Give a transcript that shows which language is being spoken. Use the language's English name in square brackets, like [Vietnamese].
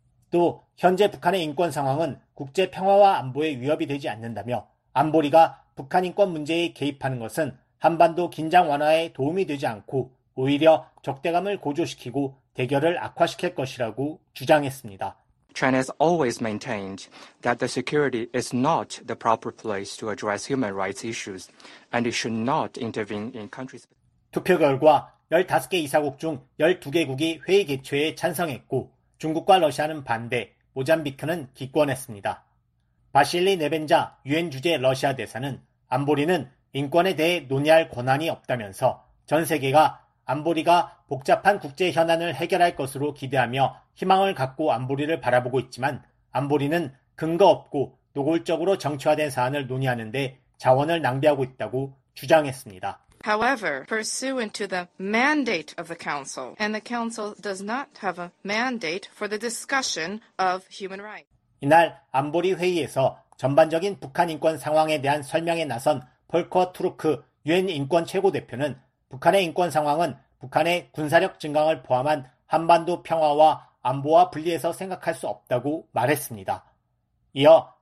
[Korean] 또 현재 북한의 인권 상황은 국제 평화와 안보에 위협이 되지 않는다며 안보리가 북한 인권 문제에 개입하는 것은 한반도 긴장 완화에 도움이 되지 않고 오히려 적대감을 고조시키고 대결을 악화시킬 것이라고 주장했습니다. [English] China has always maintained that the security is not the proper place to address human rights issues and it should not intervene in countries. [Korean] 투표 결과 15개 이사국 중 12개국이 회의 개최에 찬성했고 중국과 러시아는 반대, 모잠비크는 기권했습니다. 바실리 네벤자 유엔 주재 러시아 대사는 안보리는 인권에 대해 논의할 권한이 없다면서 전 세계가 안보리가 복잡한 국제 현안을 해결할 것으로 기대하며 희망을 갖고 안보리를 바라보고 있지만 안보리는 근거 없고 노골적으로 정치화된 사안을 논의하는데 자원을 낭비하고 있다고 주장했습니다. [English] However, pursuant to the mandate of the Council, and the Council does not have a mandate for the discussion of human rights. [Korean] 이날 안보리 회의에서 전반적인 북한 인권 상황에 대한 설명에 나선 폴커 트루크 유엔 인권 최고 대표는 북한의 인권 상황은 북한의 군사력 증강을 포함한 한반도 평화와 안보와 분리해서 생각할 수 없다고 말했습니다. 이어